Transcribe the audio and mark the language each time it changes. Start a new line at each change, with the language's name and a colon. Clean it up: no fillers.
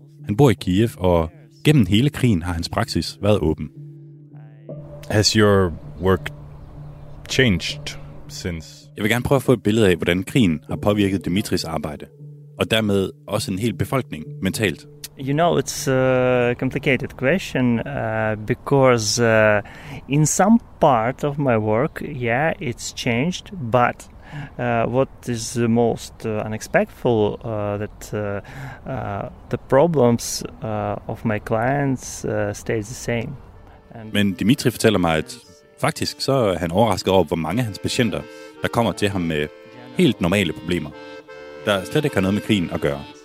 Danish: Han bor i Kiev, og gennem hele krigen har hans praksis været åben.
English: Has your work changed since...
Danish: Jeg vil gerne prøve at få et billede af, hvordan krigen har påvirket Dmitrys arbejde, og dermed også en hel befolkning mentalt.
English: You know, it's a complicated question because in some part of my work, yeah, it's changed, but what is the most unexpected that the problems of my clients stays the same.
Danish: Men Dmitry fortæller mig, at faktisk så er han overrasket over, hvor mange af hans patienter, der kommer til ham med helt normale problemer, der slet ikke har noget med krigen at gøre.